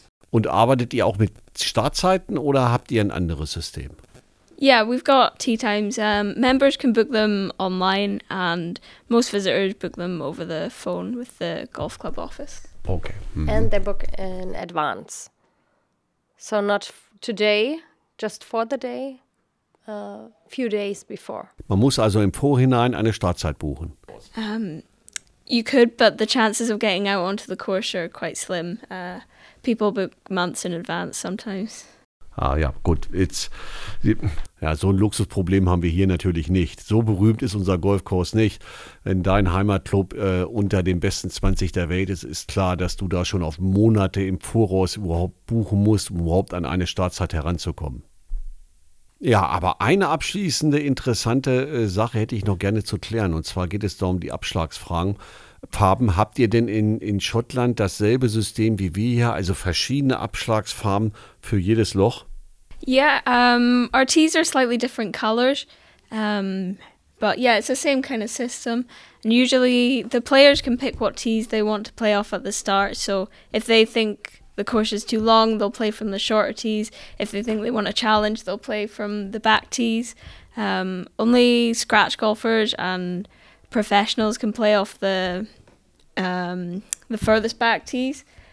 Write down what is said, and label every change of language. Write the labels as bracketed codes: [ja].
[de] Und arbeitet ihr auch mit Startzeiten oder habt ihr ein anderes System? [en] Yeah, we've got tee times. Members can book them online and most visitors book them over the phone with the golf club office. Okay. Mm-hmm. And they book in advance. So not today, just for the day, a few days before. [de] Man muss also im Vorhinein eine Startzeit buchen. [en] You could, but the chances of getting out onto the course are quite slim. People book months in advance sometimes. [de] Ah ja, gut. So ein Luxusproblem haben wir hier natürlich nicht. So berühmt ist unser Golfkurs nicht. Wenn dein Heimatclub unter den besten 20 der Welt ist, ist klar, dass du da schon auf Monate im Voraus überhaupt buchen musst, um überhaupt an eine Startzeit heranzukommen. Ja, aber eine abschließende interessante Sache hätte ich noch gerne zu klären. Und zwar geht es da um die Abschlagsfragen. Farben, habt ihr denn in Schottland dasselbe System wie wir hier, also verschiedene Abschlagsfarben für jedes Loch? [en] Yeah, our tees are slightly different colors. But yeah, it's the same kind of system. And usually the players can pick what tees they want to play off at the start. So if they think the course is too long, they'll play from the shorter tees. If they think they want a challenge, they'll play from the back tees. Only scratch golfers and professionals can play off the furthest back tees.